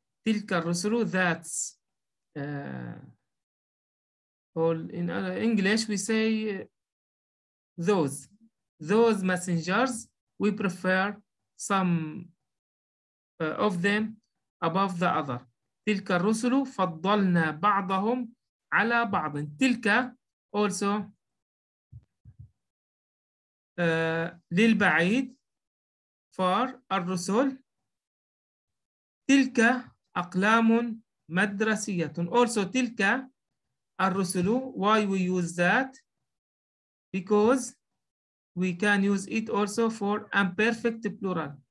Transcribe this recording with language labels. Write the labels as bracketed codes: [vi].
[ar] تلك الرسل [en] that's all in English we say those messengers we prefer some of them above the other. [ar] تلك الرسل فضلنا بعضهم على بعض. [en] تلك also للبعيد for الرسل تلك أقلام مدرسية. Also [ar] تلك الرسل. [en] Why we use that? Because we can use it also for imperfect plural.